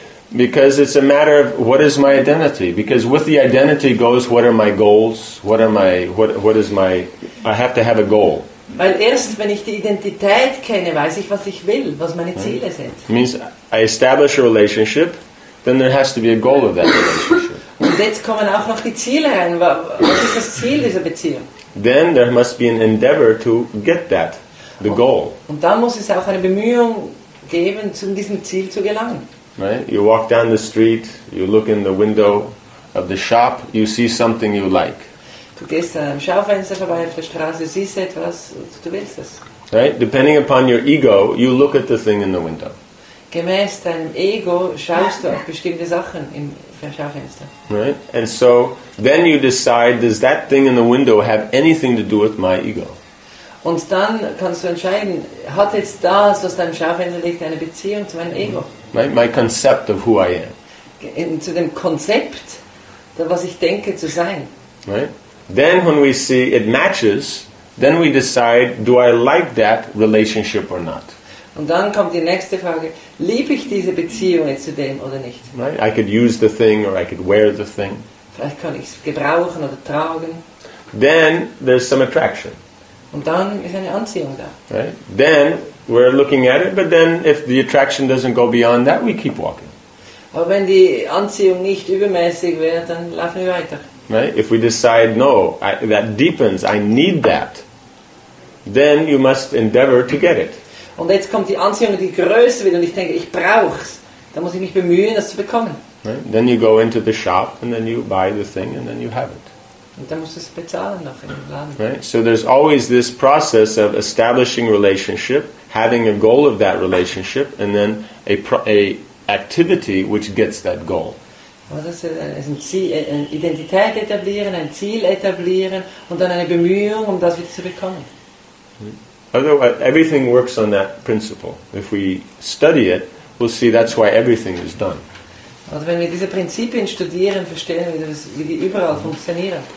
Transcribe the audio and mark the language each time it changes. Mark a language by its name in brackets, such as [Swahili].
[English] Because it's a matter of what is my identity? Because with the identity goes, what are my goals? What am I? What is my? I have to have a goal. [German] Weil erst wenn ich die Identität kenne, weiß ich, was ich will, was meine Ziele sind. [English] It means I establish a relationship, then there has to be a goal of that relationship. [German] Und jetzt kommen auch noch die Ziele rein. Was ist das Ziel dieser Beziehung? [English] Then there must be an endeavor to get that, the goal. [German] Und dann muss es auch eine Bemühung geben, zu diesem Ziel zu gelangen. [English] Right? You walk down the street, you look in the window of the shop, you see something you like. [German] Du gehst an einem Schaufenster vorbei auf der Straße, siehst etwas, du willst es. [English] Right? Depending upon your ego, you look at the thing in the window. [German] Gemäß deinem Ego schaust du auf bestimmte Sachen im Schaufenster. [English] Right? And so, then you decide, does that thing in the window have anything to do with my ego? [German] Und dann kannst du entscheiden, hat jetzt das, was deinem Schaufenster liegt, eine Beziehung zu meinem Ego? [English] Right? My concept of who I am. [German] Zu dem Konzept, was ich denke zu sein. [English] Right? Then when we see it matches, then we decide, do I like that relationship or not? [German] Und dann kommt die nächste Frage, liebe ich diese Beziehung jetzt zu dem oder nicht? [English] Right? I could use the thing or I could wear the thing. [German] Vielleicht kann ich es gebrauchen oder tragen. [English] Then there's some attraction. [German] Und dann ist eine Anziehung da. [English] Right? Then we're looking at it, but then if the attraction doesn't go beyond that, we keep walking. [German] Aber wenn die Anziehung nicht übermäßig wäre, dann laufen wir weiter. [English] Right? If we decide, no, that deepens, I need that, then you must endeavor to get it. [German] Und jetzt kommt die Anziehung, die größer wird, und ich denke, ich brauch's. Dann muss ich mich bemühen, das zu bekommen. [English] Right? Then you go into the shop, and then you buy the thing, and then you have it. [German] Und dann musst du es bezahlen noch im Laden. [English] Right? So there's always this process of establishing relationship, having a goal of that relationship, and then a activity which gets that goal. [German] Das ist ein Ziel, eine Identität etablieren, ein Ziel etablieren und dann eine Bemühung, um das wieder zu bekommen. [English] Otherwise, everything works on that principle. If we study it, we'll see that's why everything is done. [German] Also wenn wir diese Prinzipien studieren, verstehen wir, wie die überall funktionieren.